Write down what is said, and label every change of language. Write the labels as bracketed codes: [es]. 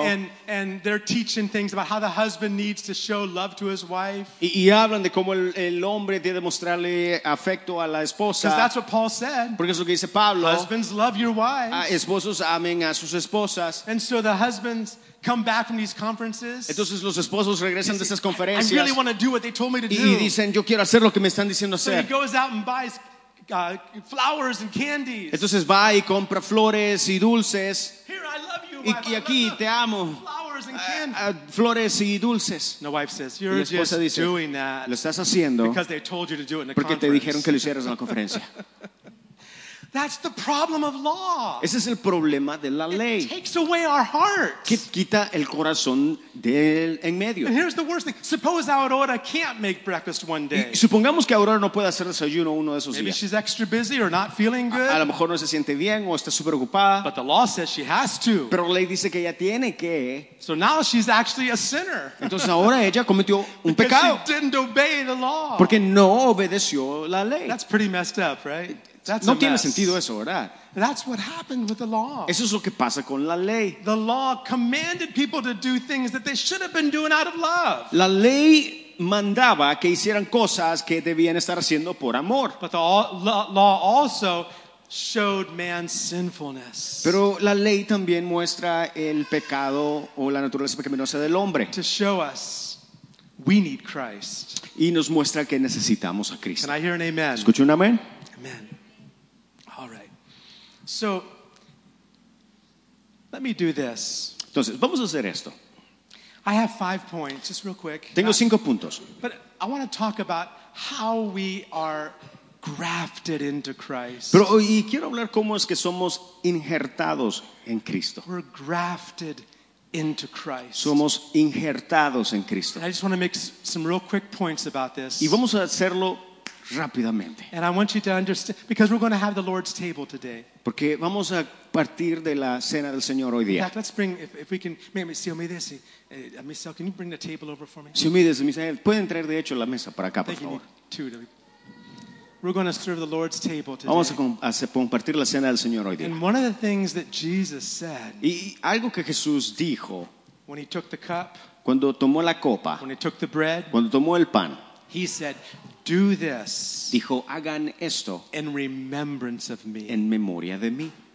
[en] And they're teaching things about how the husband needs to show love to his wife. [es] Y hablan de cómo el hombre debe mostrarle afecto a la esposa. [en] Because that's what Paul said. [es] Porque es lo que dice Pablo. [en] Husbands love your wives. [es] Esposos amen a sus esposas. [en] And so the husbands come back from these conferences. [es] Entonces los esposos regresan de esas conferencias. [en] I really want to do what they told me to do. [es] Y dicen, yo quiero hacer lo que me están diciendo hacer. [en] So he goes out and buys flowers and candies. [es] Entonces va y compra flores y dulces. [en] Here, I love you, [es] y aquí te amo. [en] Flowers and candy. [es] Flores y dulces. [en] No, wife says, you're [es] y la esposa [en] just [es] dice, [en] doing that [es] lo estás haciendo [en] because they told you to do it in [es] porque [en] conference. [es] Te dijeron que lo hicieras en la conferencia. [en] That's the problem of law. [es] Ese es el problema de la ley. [en] It takes away our hearts. [es] Que quita el corazón del en medio. [en] And here's the worst thing. Suppose Aurora can't make breakfast one day. [es] Y supongamos que Aurora no puede hacer desayuno uno de esos [en] Maybe [es] días. [en] She's extra busy or not feeling good. [es] A lo mejor no se siente bien o está super ocupada. [en] But the law says she has to. [es] Pero la ley dice que ella tiene que. [en] So now she's actually a sinner. [es] Entonces ahora ella cometió un [en] Because [es] pecado. [en] She didn't obey the law. [es] Porque no obedeció la ley. [en] That's pretty messed up, right? That's [es] no tiene sentido eso, ¿verdad? [en] That's what happened with the law. [es] Eso es lo que pasa con la ley. [en] The law commanded people to do things that they should have been doing out of love. [es] La ley mandaba que hicieran cosas que debían estar haciendo por amor. [en] But the law also showed man's sinfulness. [es] Pero la ley también muestra el pecado o la naturaleza pecaminosa del hombre. [en] To show us we need Christ. [es] Y nos muestra que necesitamos a Cristo. [en] Can I hear an amen? [es] ¿Escucho un amén? [en] Amen. All right. So, let me do this. [es] Entonces, vamos a hacer esto. [en] I have 5 points, just real quick. [es] Tengo cinco puntos. [en] But I want to talk about how we are grafted into Christ. [es] Pero hoy quiero hablar cómo es que somos injertados en Cristo. [en] We're grafted into Christ. [es] Somos injertados en Cristo. [en] And I just want to make some real quick points about this. [es] Y vamos a hacerlo rápidamente. [en] And I want you to understand because we're going to have the Lord's table today. [es] Porque vamos a partir de la cena del Señor hoy día. [en] In fact, let's bring if we can. Maybe si Omides, Misael, can you bring the table over for me? [es] Si Omides, Misael, pueden traer de hecho la mesa para acá, por favor. [en] We're going to serve the Lord's table today. [es] Vamos a compartir la cena del Señor hoy día. [en] And one of the things that Jesus said. [es] Y algo que Jesús dijo. [en] When he took the cup. [es] Cuando tomó la copa. [en] When he took the bread. [es] Cuando tomó el pan. [en] He said, "Do this." [es] Dijo, hagan esto. [en] In remembrance of me. [es] En memoria de mí.